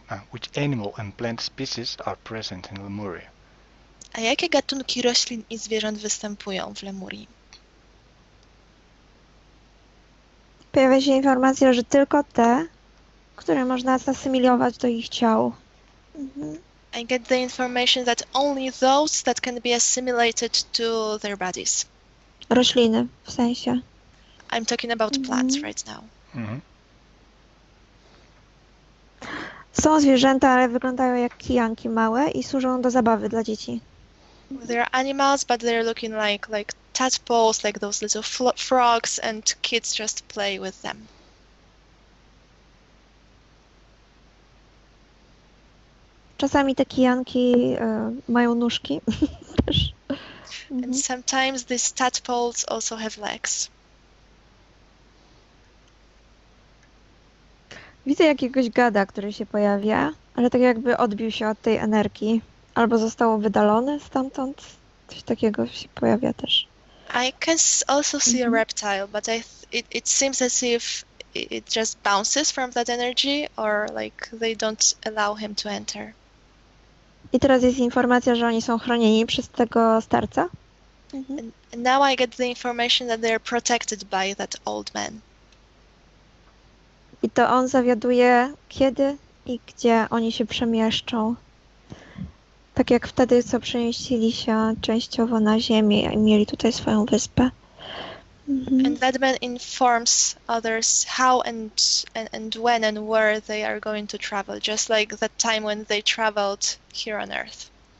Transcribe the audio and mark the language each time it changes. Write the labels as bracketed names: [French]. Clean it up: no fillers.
[English] Which animal and plant species are present in Lemuria? [Polish] A jakie gatunki roślin i zwierząt występują w Lemurii? Pojawia się informacja, że tylko te, które można zasymilować do ich ciał. [English] I get the information that only those that can be assimilated to their bodies. [Polish] Rośliny, w sensie. [English] I'm talking about plants right now. [Polish] Są zwierzęta, ale wyglądają jak kijanki małe i służą do zabawy dla dzieci. [English] They're animals, but they're looking like tadpoles, like those little frogs, and kids just play with them. [Polish] Czasami te kijanki mają nóżki. [English] And sometimes these tadpoles also have legs. [Polish] Widzę jakiegoś gada, który się pojawia, ale tak jakby odbił się od tej energii. Albo został wydalony stamtąd. Coś takiego się pojawia też. [English] I can also see a reptile, but it seems as if it just bounces from that energy, or like they don't allow him to enter. [Polish] I teraz jest informacja, że oni są chronieni przez tego starca. [English] And now I get the information that they are protected by that old man. [Polish] I to on zawiaduje, kiedy i gdzie oni się przemieszczą. Tak jak wtedy, co przemieścili się częściowo na Ziemię i mieli tutaj swoją wyspę. [English] And that man informs others how and when and where they are going to travel, just like that time when they traveled here on Earth.